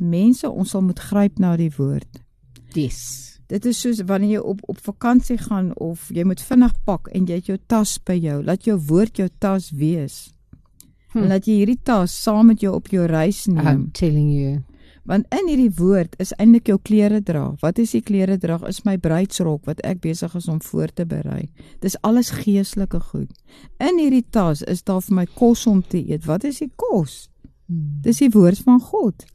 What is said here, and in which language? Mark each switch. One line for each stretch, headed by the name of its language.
Afrikaans: Mense, ons sal moet gryp na die woord.
English: Yes.
Afrikaans: Dit is soos wanneer jy op vakantie gaan of jy moet vinnig pak en jy het jou tas by jou. Laat jou woord jou tas wees. En laat jy hierdie tas saam met jou op jou reis neem.
English: I'm telling you.
Afrikaans: Want in hierdie woord is eindelijk jou kleredra. Wat is die kleredra? Is my bruidsrok wat ek besig is om voor te berei. Dit is alles geestelike goed. In hierdie tas is daar vir my kos om te eet. Wat is die kos? Dit is die woord van God.